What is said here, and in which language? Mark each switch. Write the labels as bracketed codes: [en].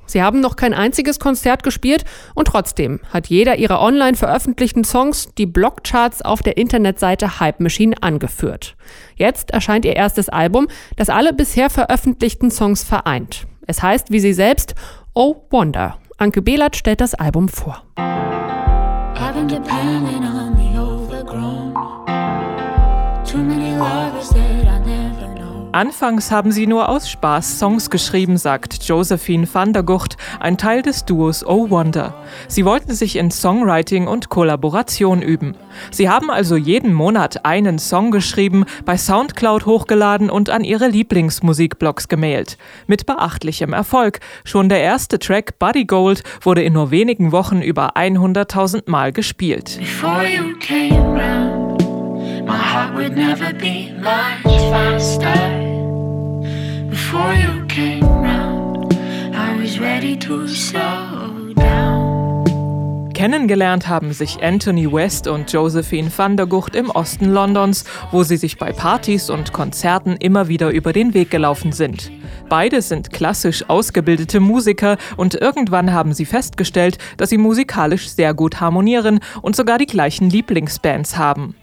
[de] Sie haben noch kein einziges Konzert gespielt und trotzdem hat jeder ihrer online veröffentlichten Songs die Blockcharts auf der Internetseite Hype Machine angeführt. Jetzt erscheint ihr erstes Album, das alle bisher veröffentlichten Songs vereint. Es heißt, wie sie selbst, Oh Wonder. Anke Behlert stellt das Album vor. [en] I've been depending on the overgrown. Too many lovers that I never know. [de] Anfangs haben sie nur aus Spaß Songs geschrieben, sagt Josephine van der Gucht, ein Teil des Duos Oh Wonder. Sie wollten sich in Songwriting und Kollaboration üben. Sie haben also jeden Monat einen Song geschrieben, bei Soundcloud hochgeladen und an ihre Lieblingsmusikblogs gemailt. Mit beachtlichem Erfolg. Schon der erste Track, Buddy Gold, wurde in nur wenigen Wochen über 100.000 Mal gespielt. [en] Before you came around, my heart would never be much faster. Before you came round, I was ready to slow down. [de] Kennengelernt haben sich Anthony West und Josephine van der Gucht im Osten Londons, wo sie sich bei Partys und Konzerten immer wieder über den Weg gelaufen sind. Beide sind klassisch ausgebildete Musiker und irgendwann haben sie festgestellt, dass sie musikalisch sehr gut harmonieren und sogar die gleichen Lieblingsbands haben.